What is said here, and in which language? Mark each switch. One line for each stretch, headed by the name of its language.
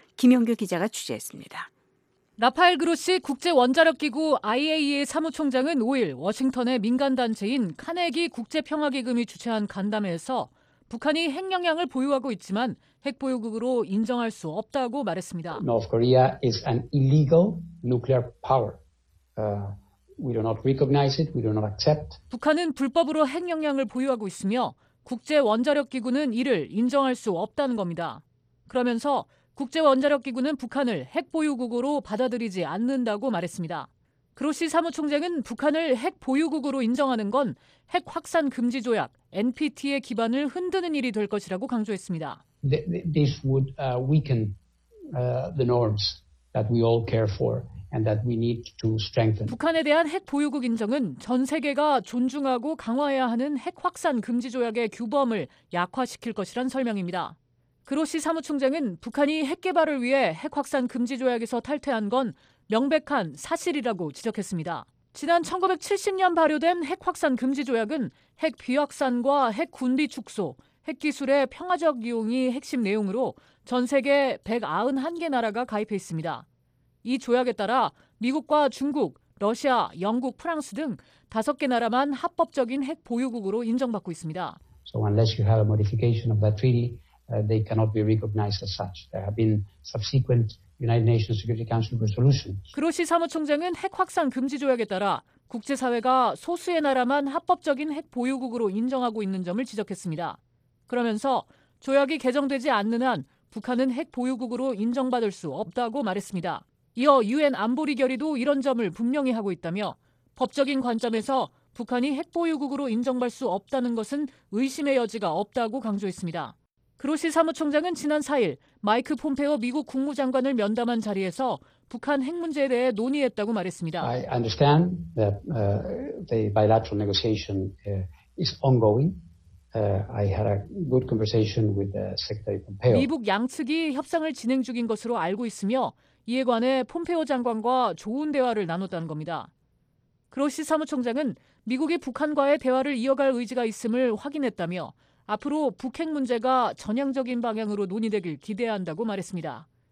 Korean: 김영규 기자가 취재했습니다. 라파엘 그로시 국제원자력기구 IAEA 사무총장은 5일 워싱턴의 민간단체인 카네기 국제평화기금이 주최한 간담회에서 북한이 핵 역량을 보유하고 있지만 핵 보유국으로 인정할 수 없다고 말했습니다.
English: North Korea is an illegal nuclear power. We do not recognize it. We do not accept.
Korean: 북한은 불법으로 핵 역량을 보유하고 있으며 국제 원자력 기구는 이를 인정할 수 없다는 겁니다. 그러면서 국제 원자력 기구는 북한을 핵 보유국으로 받아들이지 않는다고 말했습니다. 그로시 사무총장은 북한을 핵 보유국으로 인정하는 건 핵 확산 금지 조약 NPT의 기반을 흔드는 일이 될 것이라고 강조했습니다.
English: This would weaken the norms that we all care for and that we need to strengthen.
Korean: 북한에 대한 핵 보유국 인정은 전 세계가 존중하고 강화해야 하는 핵 확산 금지 조약의 규범을 약화시킬 것이란 설명입니다. 그로시 사무총장은 북한이 핵 개발을 위해 핵 확산 금지 조약에서 탈퇴한 건 명백한 사실이라고 지적했습니다. 지난 1970년 발효된 핵 확산 금지 조약은 핵 비확산과 핵 군비 축소, 핵 기술의 평화적 이용이 핵심 내용으로 전 세계 191개 나라가 가입해 있습니다. 이 조약에 따라 미국과 중국, 러시아, 영국, 프랑스 등 5개 나라만 합법적인 핵 보유국으로 인정받고 있습니다.
English: So unless you have a modification of that treaty, they cannot be recognized as such. There have been subsequent United Nations Security Council resolutions.
Korean: 그로시 사무총장은 핵 확산 금지 조약에 따라 국제사회가 소수의 나라만 합법적인 핵 보유국으로 인정하고 있는 점을 지적했습니다. 그러면서 조약이 개정되지 않는 한 북한은 핵 보유국으로 인정받을 수 없다고 말했습니다. 이어 유엔 안보리 결의도 이런 점을 분명히 하고 있다며 법적인 관점에서 북한이 핵 보유국으로 인정받을 수 없다는 것은 의심의 여지가 없다고 강조했습니다. 그로시 사무총장은 지난 4일 마이크 폼페오 미국 국무장관을 면담한 자리에서 북한 핵 문제에 대해 논의했다고 말했습니다.
English: I understand that the bilateral negotiation is ongoing. I had a good conversation with Secretary Pompeo.
Korean: 미국 양측이 협상을 진행 중인 것으로 알고 있으며 이에 관해 폼페오 장관과 좋은 대화를 나눴다는 겁니다. 그로시 사무총장은 미국이 북한과의 대화를 이어갈 의지가 있음을 확인했다며 앞으로 북핵 문제가 전향적인 방향으로 논의되길 기대한다고 말했습니다.